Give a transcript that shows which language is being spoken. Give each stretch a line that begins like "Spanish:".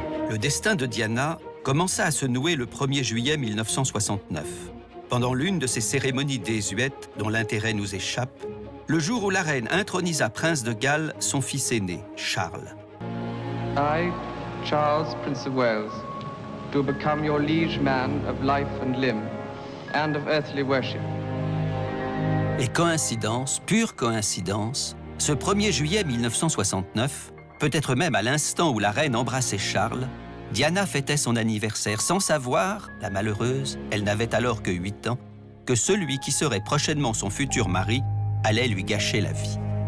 French: Le destin de Diana commença à se nouer le 1er juillet 1969. Pendant l'une de ces cérémonies désuètes dont l'intérêt nous échappe, le jour où la reine intronisa prince de Galles son fils aîné, Charles.
English: I, Charles, Prince of Wales, do become your liege man of life and limb, and of earthly worship.
French: Et coïncidence, pure coïncidence, ce 1er juillet 1969, peut-être même à l'instant où la reine embrassait Charles, Diana fêtait son anniversaire sans savoir, la malheureuse, elle n'avait alors que 8 ans, que celui qui serait prochainement son futur mari allait lui gâcher la vie.